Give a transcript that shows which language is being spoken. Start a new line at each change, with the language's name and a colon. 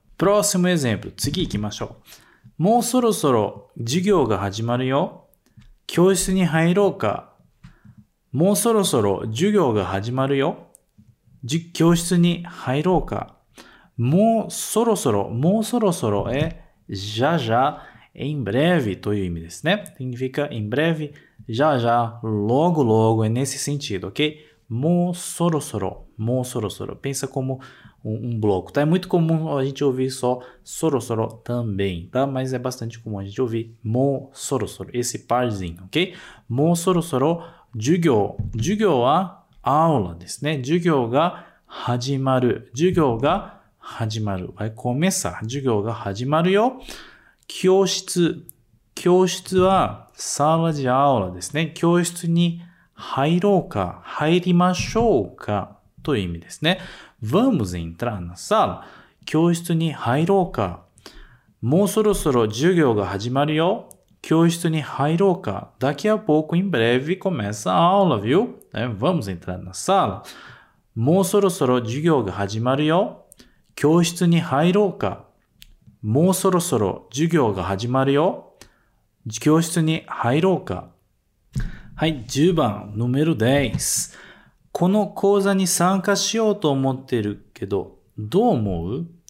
Portuguese: Próximo exemplo,
Japanese: 次行きましょう。もうそろそろ授業が始まるよ。教室に入ろうか。もうそろそろ授業が始まるよ。教室に入ろうか。もうそろそろ、もうそろそろ、じゃじゃ、
Portuguese: em breve
Japanese: という意味ですね。
Portuguese: Significa em breve, já já, logo logo, é nesse sentido, ok? もうそろそろ、もうそろそろ。 Pensa como um bloco, tá? É muito comum a gente ouvir só soro soro também, tá? Mas é bastante comum a gente ouvir mo soro soro, esse parzinho, ok?
Japanese: Mo soro soro, jugyo.
Portuguese: Jugyo é aula, né?
Japanese: Jugyo ga hajimaru. Jugyo ga hajimaru.
Portuguese: Vai começar.
Japanese: Jugyo ga hajimaru yo. Kyoshitsu.
Portuguese: Kyoshitsu é sala de aula, né?
Japanese: Kyoshitsu ni hairou ka, hairimashou ka, という意味ですね。
Portuguese: Vamos entrar na sala?
Japanese: 教室に入ろうか。もうそろそろ授業が始まるよ。教室に入ろうか。
Portuguese: Daqui a pouco, em breve, começa a aula, viu? Vamos entrar na sala?
Japanese: もうそろそろ授業が始まるよ。教室に入ろうか。もうそろそろ授業が始まるよ。教室に入ろうか。はい、10番、número 10。この講座に参加しようと思ってるけど、どう思う？